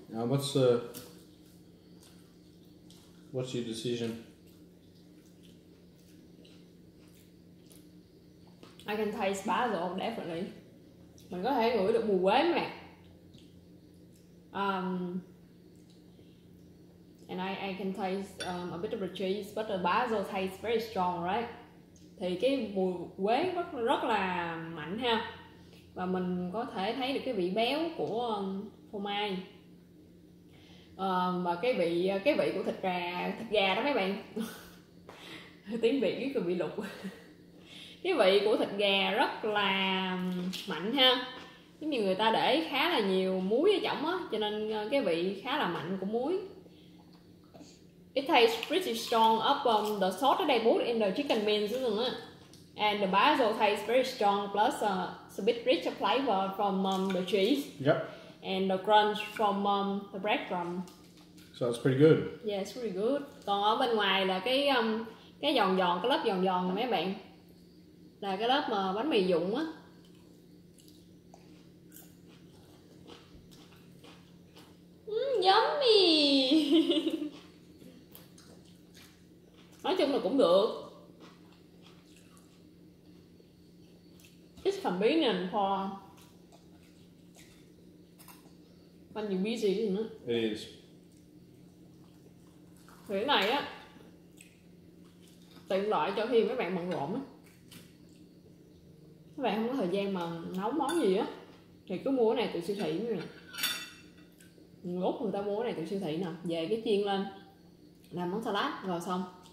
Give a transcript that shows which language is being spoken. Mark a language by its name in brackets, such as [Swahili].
[English] What's your decision? I can taste basil, definitely. [Vietnamese] Mình có thể ngửi được mùi quế mà. [English] And I can taste a bit of the cheese, but the basil tastes very strong, right? [Vietnamese] Thì cái mùi quế rất là mạnh ha. Và mình có thể thấy được cái vị béo của phô mai. Và cái vị của thịt gà đó mấy bạn. Tiếng Việt cái vị lục. Cái vị của thịt gà rất là mạnh ha. Giống như người ta để khá là nhiều muối ở trong á, cho nên cái vị khá là mạnh của muối. [English] It tastes pretty strong up on the sauce that they put in the chicken mince, isn't it? And the basil tastes very strong, plus it's a bit richer flavor from the cheese. Yep. And the crunch from the breadcrumb. So it's pretty good. Yeah, it's pretty good. [Vietnamese] Còn ở bên ngoài là cái giòn giòn, cái lớp giòn giòn mấy bạn. là cái lớp mà bánh mì dụng á. Yummy. Nói chung là cũng được. [English] It's convenient for when you're busy, isn't it? It is. [Vietnamese] Thì cái này á, tiện lợi cho khi mấy bạn bận rộn á, mấy bạn không có thời gian mà nấu món gì á, thì cứ mua cái này từ siêu thị nè. Ngốt người ta mua cái này từ siêu thị nè, về cái chiên lên, làm món salad rồi xong.